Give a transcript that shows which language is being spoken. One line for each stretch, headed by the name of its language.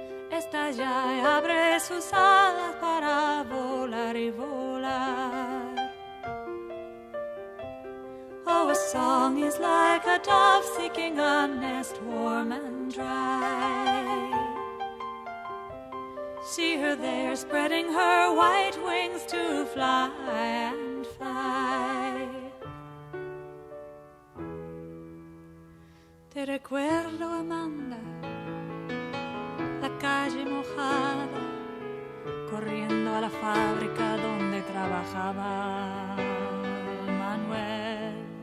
Spanish: Esta ya abre sus alas para volar y volar.
English: Oh, a song is like a dove seeking a nest warm and dry. See her there spreading her white wings to fly and fly.
Spanish: Te recuerdo, Amanda, la calle mojada, corriendo a la fábrica donde trabajaba Manuel.